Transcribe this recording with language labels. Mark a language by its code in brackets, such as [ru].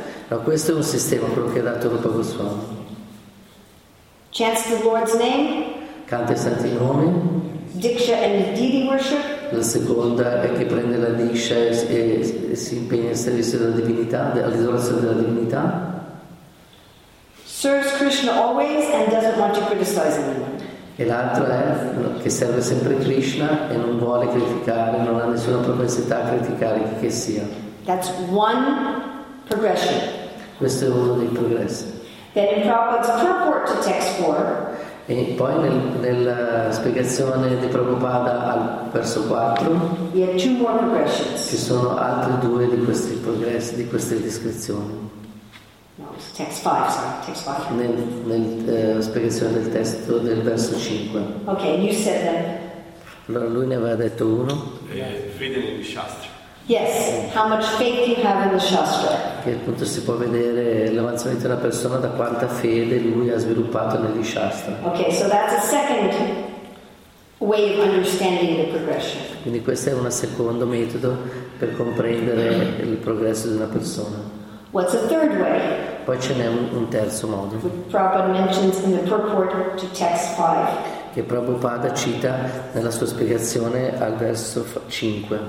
[it] Ma questo è un sistema, quello che ha dato Rupa Goswami. [en] Chants the Lord's name. [it] Canta i santi nomi. [en] Diksha and deity worship. [it] La seconda è che prende la diksha e si impegna al servizio della divinità, all'adorazione della divinità. [en] Serves Krishna always and doesn't want to criticize anyone. [it] E l'altro è che serve sempre Krishna e non vuole criticare, non ha nessuna propensità a criticare chi che sia. [en] That's one progression. [it] Questo è uno dei progressi. [en] Then in Prabhupada's purport to text 4. [it] E poi nella spiegazione di Prabhupada al verso 4 [en] we have two more progressions. [it] Ci sono altri due di questi progressi, di queste descrizioni. [en] Text 5. [it] Spiegazione del testo del verso 5. [en] Ok, you said that. [it] Allora lui ne aveva detto uno. Fede nel Shastra. [en] Yes, how much faith you have in the Shastra. [it] Che appunto si può vedere l'avanzamento di una persona da quanta fede lui ha sviluppato negli Shastra. [en] Ok, so that's a second way of understanding the progression. [it] Quindi questo è un secondo metodo per comprendere il progresso di una persona. [en] What's a third way? [it] Poi ce n'è un terzo modo. [en] Prabhupada mentions in the purport to text 5. [it] Che Prabhupada cita nella sua spiegazione al verso 5.